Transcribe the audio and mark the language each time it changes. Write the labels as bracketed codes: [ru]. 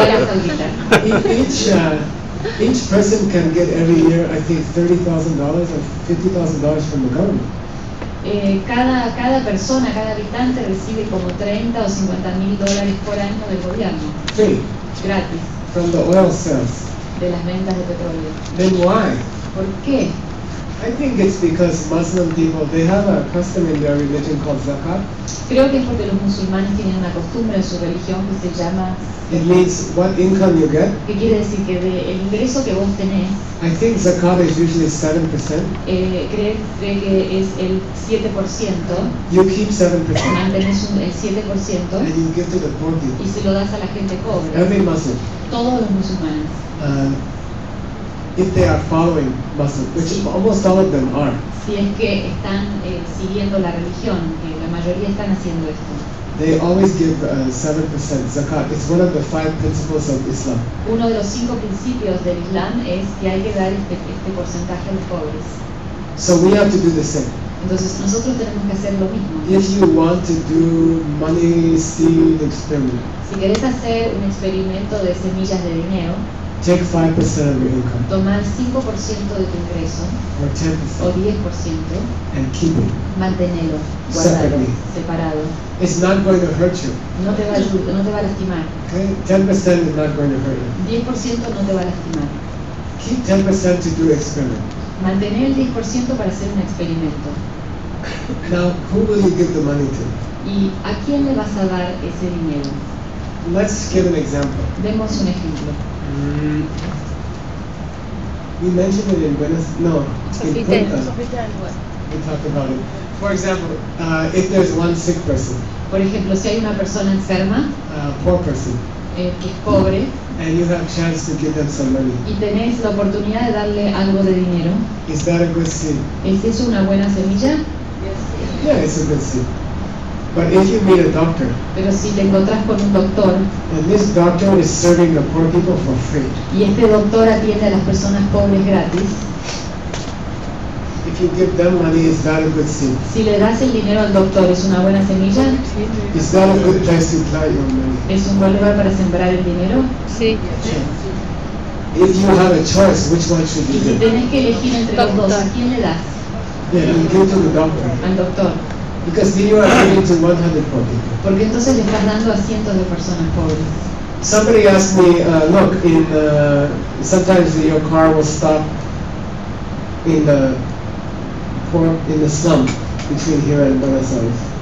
[en] Each person can get every year, I think, $30,000 or $50,000 from the government. [es] Cada persona, cada habitante recibe como 30 o 50 mil dólares por año del gobierno. [en] Free. [es] Gratis. [en] From the oil sales. [es] De las ventas de petróleo. [en] Then why? [es] ¿Por qué? [en] I think it's because Muslim people, they have a custom in their religion called zakat. [es] Creo que es porque los musulmanes tienen una costumbre en su religión que se llama. [en] It means what income you get. [es] ¿Qué quiere decir? Que de el ingreso que vos tenés. [en] I think zakat is usually 7%. [es] Cree que es el 7%. [en] You keep 7%. [es] Mantenés el 7%. [en] And you give to the poor people. [es] Y se lo das a la gente pobre. [en] Every Muslim. [es] Todos los musulmanes. [en] If they are following Muslim, which sí. Almost all of them are. [es] Si es que están siguiendo la religión, la mayoría están haciendo esto. [en] They always give 7% zakat. It's one of the five principles of Islam. [es] Uno de los cinco principios del Islam es que hay que dar este porcentaje a los pobres. [en] So we have to do the same. [es] Entonces nosotros tenemos que hacer lo mismo. [en] If you want to do money seed experiment. [es] Si quieres hacer un experimento de semillas de dinero. [en] Take 5% of your income. [es] Toma el 5% de tu ingreso. [en] Or 10%. [es] O 10%. [en] And keep it. [es] Mantenelo. [en] Separately. [es] Separado. [en] It's not going to hurt you. [es] No te va a lastimar. [en] Okay? 10% is not going to hurt you. [es] 10% no te va a lastimar. [en] Keep 10% to do experiment. [es] Mantener el 10% para hacer un experimento. [en] Now, who will you give the money to? [es] ¿Y a quién le vas a dar ese dinero? [en] Let's give an example. [es] Demos un ejemplo. [en] We mentioned it in Buenos. No, in Punta. We talked about it. For example, if there's one sick person. [es] Por ejemplo, si hay una persona enferma. [en] Poor person. [es] Que es pobre. [en] And you have chance to give them some money. [es] Y tenés la oportunidad de darle algo de dinero. [en] Is that a good seed? [es] ¿Es una buena semilla? [en] Yes. Yeah, it's a good seed. But if you meet a doctor, [es] pero si te encontrás con un doctor, [en] and this doctor is serving the poor people for free, [es] y este doctor atiende a las personas pobres gratis, [en] if you give them money, is that a good seed? [es] Si le das el dinero al doctor, ¿es una buena semilla? [en] Is that a good place to plant your money? [es] ¿Es un buen lugar para sembrar el dinero? Sí. [en] Sure. If you have a choice, which one should you give? [es] Si tenés que elegir entre los dos, ¿a quién le das? [en] Yeah, you give to the doctor. [es] Al doctor. [en] Because then you are giving to 100 poor people. [es] Porque entonces le estás dando a cientos de personas pobres. [en] Somebody asked me, look, in sometimes your car will stop in the poor, in the slum between here and Buenos Aires.